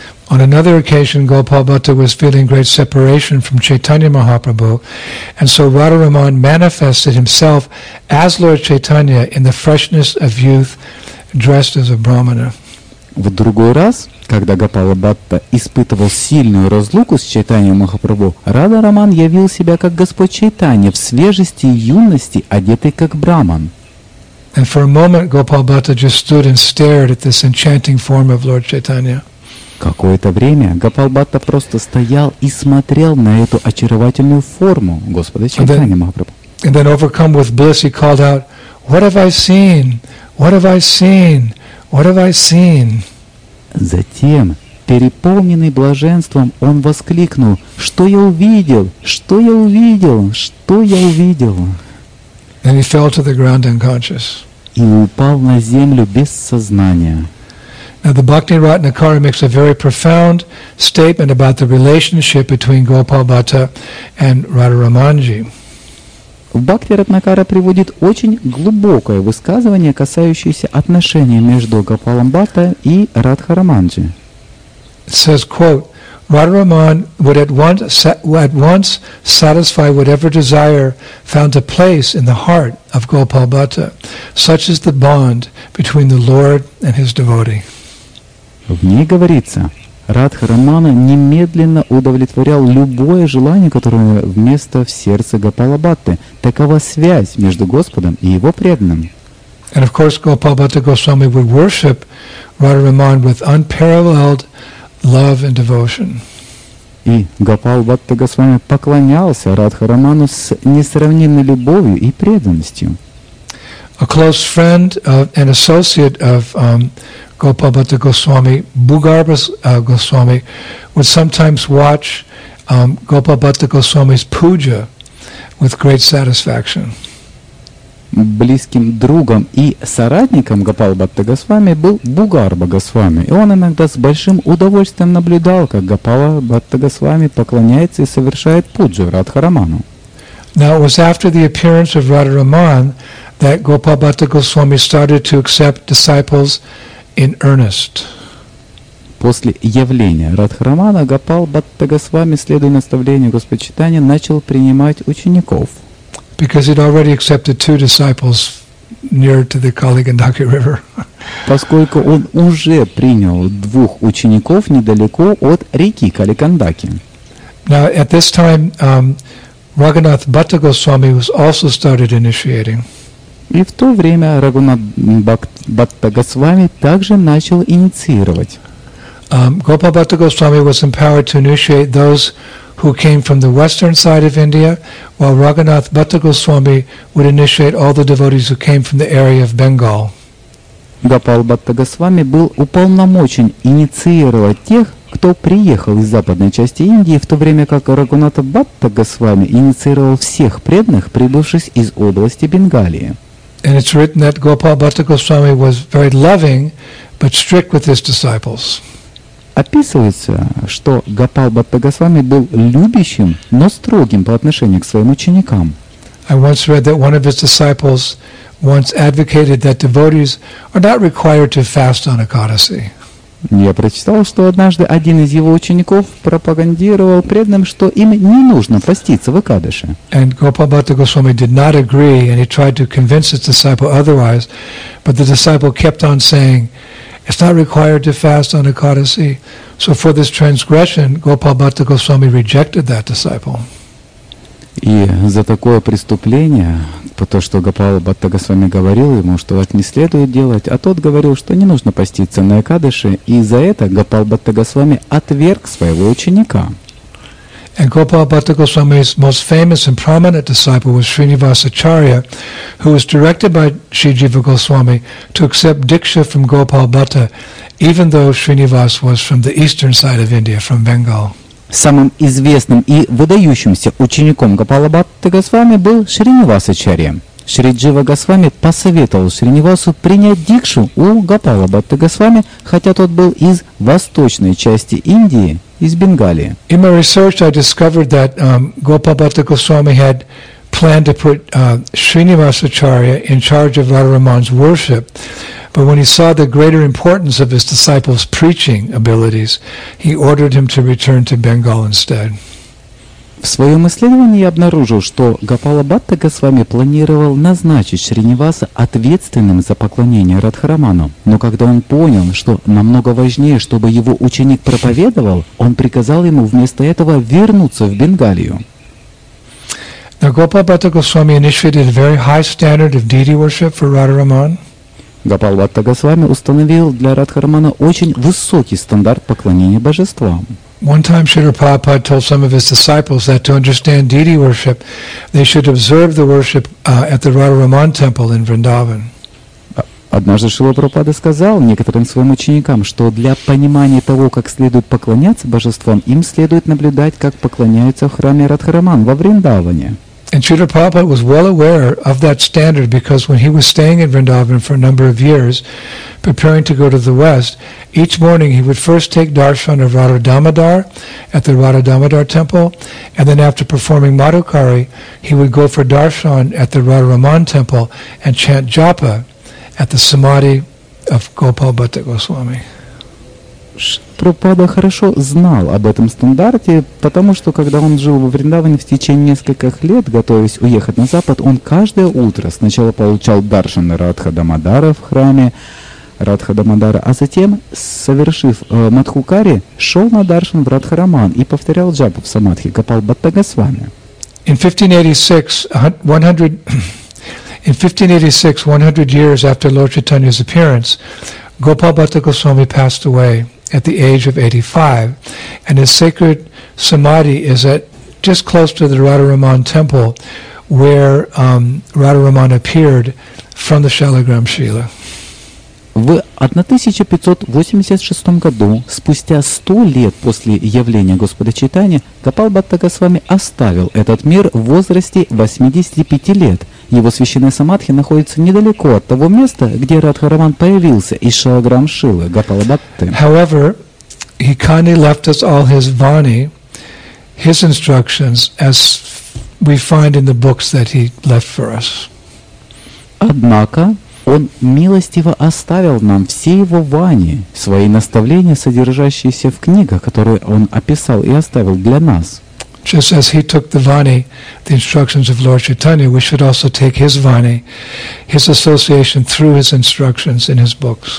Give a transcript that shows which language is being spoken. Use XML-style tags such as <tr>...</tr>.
<en>On another occasion, Gopalbhatta was feeling great separation from Chaitanya Mahaprabhu, and so Radharaman manifested himself as Lord Chaitanya in the freshness of youth, dressed as a brahmana.</en> <ru>В другой раз, когда Гопалбхатта испытывал сильную разлуку с Чайтанья Махапрабху, Радхараман явил себя как Господь Чайтанья в свежести и юности, одетый как брахман.</ru> <en>And for a moment, Gopalbhatta just stood and stared at this enchanting form of Lord Chaitanya.</en> <ru>Какое-то время Гопалбхатта просто стоял и смотрел на эту очаровательную форму Господа Чайтанья Махапрабху.</ru> <en>And then, overcome with bliss, he called out, "What have I seen? What have I seen? What have I seen?"</en> <ru>Затем, переполненный блаженством, он воскликнул, "Что я увидел? Что я увидел? Что я увидел?"</ru> <en>And he fell to the ground unconscious.</en> <ru>И упал на землю без сознания.</ru> <en>Now the Bhakti Ratnakara makes a very profound statement about the relationship between Gopalbhatta and Radharamanji.</en> <ru>В Бхакти Ратнакара приводит очень глубокое высказывание, касающееся отношений между Гопалбхатта и Радхараманджи.</ru> <en>It says, quote, Radharaman would at once satisfy whatever desire found a place in the heart of Gopalbhatta. Such is the bond between the Lord and his devotee.</en> <ru>В ней говорится, Радхарамана немедленно удовлетворял любое желание, которое вместо в сердце Гопалбхатты. Такова связь между Господом и его преданным.</ru> <en>And of course, Gopalbhatta Goswami would worship Radharaman with unparalleled love and devotion.</en> <ru>И Гопал Бхакта Госвами поклонялся Радхараману с несравненной любовью и преданностью.</ru> <en>A close friend and associate of Gopal Bhatta Goswami, Bhugarbha Goswami, would sometimes watch Gopal Bhatta Goswami's puja with great satisfaction.</en> <ru>Близким другом и соратником Гопал Бхатта Госвами был Бхугарбха Госвами, и он иногда с большим удовольствием наблюдал, как Гопал Бхатта Госвами поклоняется и совершает пуджу Радхараману.</ru> <en>Now it was after the appearance of Radharaman that Gopal Bhatta Goswami started to accept disciples in earnest.</en> <ru>После явления Радхарамана Гопал Бхатта Госвами, следуя наставлению Господа Чайтаньи, начал принимать учеников.</ru> <en>Because he'd already accepted two disciples near to the Kali Gandaki River.</en> <ru>Поскольку он уже принял двух учеников недалеко от реки Кали Гандаки.</ru> <en>Now at this time, Raghunath Bhatta Goswami was also started initiating.</en> <ru>И в то время Рагунат Бхатта Госвами также начал инициировать.</ru> <en>Gopal Bhatta Goswami was empowered to initiate those who came from the western side of India, while Raghunath Bhatta Goswami would initiate all the devotees who came from the area of Bengal.</en> <ru>Gopal Bhatta Goswami был уполномочен инициировать тех, кто приехал из западной части Индии, в то время как Рагунат Бхатта Госвами инициировал всех преданных, прибывших из области Бенгалии.</ru> <en>And it's written that Gopal Bhatta Goswami was very loving, but strict with his disciples.</en> <ru>Описывается, что Гопал Бхатта Госвами был любящим, но строгим по отношению к своим ученикам.</ru> <en>I once read that one of his disciples once advocated that devotees are not required to fast on Ekadasi.</en> <ru>Я прочитал, что однажды один из его учеников пропагандировал преданным, что им не нужно поститься в Экадаши.</ru> <en>And Gopal Bhatta Goswami did not agree, and he tried to convince his disciple otherwise, but the disciple kept on saying, it's not required to fast on Ekadasi. So for this transgression, Gopal Bhatta Goswami rejected that disciple.</en> <ru>И за такое преступление, потому что Гопал Бхатта Госвами говорил ему, что так не следует делать, а тот говорил, что не нужно поститься на Экадаши, и за это Гопал Бхатта Госвами отверг своего ученика.</ru> <en>And Gopal Bhatta Goswami's most famous and prominent disciple was Srinivas Acharya, who was directed by Sri Jiva Goswami to accept Diksha from Gopal Bhatta, even though Srinivas was from the eastern side of India, from Bengal.</en> <ru>Самым известным и выдающимся учеником Гопала Бхатта Госвами был Шринивас Ачарья. Шри Джива Госвами посоветовал Шринивасу принять дикшу у Гопала Бхатта Госвами, хотя тот был из восточной части Индии, из Бенгалии.</ru> <en>In my research I discovered that Gopala Bhatta Goswami had planned to put Srinivas Acharya in charge of Radharaman's worship. But when he saw the greater importance of his disciples' preaching abilities, he ordered him to return to Bengal instead.</en> <ru>В своем исследовании я обнаружил, что Гопала Бхатта Госвами планировал назначить Шринивас ответственным за поклонение Радхараману. Но когда он понял, что намного важнее, чтобы его ученик проповедовал, он приказал ему вместо этого вернуться в Бенгалию.</ru> <en>Now, Gopal Bhatta Goswami initiated a very high standard of deity worship for Radharaman.</en> <ru>Гопал Бхатта Госвами установил для Радхарамана очень высокий стандарт поклонения божествам.</ru> <en>One time Srila Prabhupada told some of his disciples that to understand deity worship, they should observe the worship at the Radharaman temple in Vrindavan.</en> <ru>Однажды Шрила Прабхупада сказал некоторым своим ученикам, что для понимания того, как следует поклоняться божествам, им следует наблюдать, как поклоняются в храме Радхараман во Вриндаване.</ru> <en>And Srila Prabhupada was well aware of that standard because when he was staying in Vrindavan for a number of years, preparing to go to the West, each morning he would first take darshan of Radha Damodar at the Radha Damodar temple, and then after performing Madhukari, he would go for darshan at the Radharaman temple and chant japa at the Samadhi of Gopal Bhatta Goswami.</en> <ru>Прабхупада хорошо знал об этом стандарте, потому что, когда он жил во Вриндаване в течение нескольких лет, готовясь уехать на Запад, он каждое утро сначала получал даршан Радха Дамодара в храме Радха Дамодара, а затем, совершив Мадхукари, шел на даршан в Радхараман и повторял джапу в самадхи Гопал Бхатта Госвами.</ru> <en>In 1586, 100 years after Lord Chaitanya's appearance, Gopal Bhatta Goswami passed away at the age of 85, and his sacred samadhi is at just close to the Radharaman temple where Radharaman appeared from the Shalagram Shila.</en> <ru>В 1586 году, спустя 100 лет после явления Господа Чайтанья, Гопал Бхакта Госвами оставил этот мир в возрасте 85 лет. Его священная самадхи находится недалеко от того места, где Радхараман появился из Шалаграм Шилы Гопала Бхакты.</ru> <en>However, he kindly left us all his vani, his instructions, as we find in the books that he left for us.</en> <ru>Однако он милостиво оставил нам все его вани, свои наставления, содержащиеся в книгах, которые он описал и оставил для нас.</ru> <en>Just as he took the vani, the instructions of Lord Chaitanya, we should also take his vani, his association through his instructions in his books.</en>